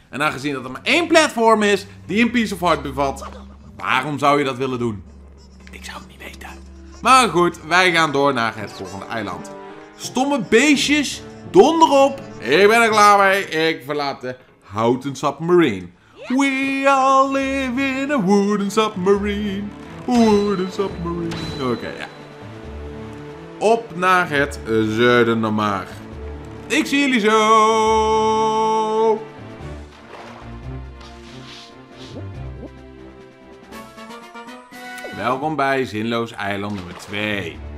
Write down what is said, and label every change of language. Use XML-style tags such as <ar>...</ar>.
<nl>En aangezien dat er maar één platform is die een piece of heart bevat, waarom zou je dat willen doen? Ik zou het niet weten. Maar goed, wij gaan door naar het volgende eiland. Stomme beestjes, donder op. Ik ben er klaar mee. Ik verlaat de houten submarine.</nl> <en>We all live in a wooden submarine. Wooden submarine. Oké.</en> <nl>Op naar het zuiden dan maar. Ik zie jullie zo. Welkom bij Zinloos Eiland nummer 2.</nl>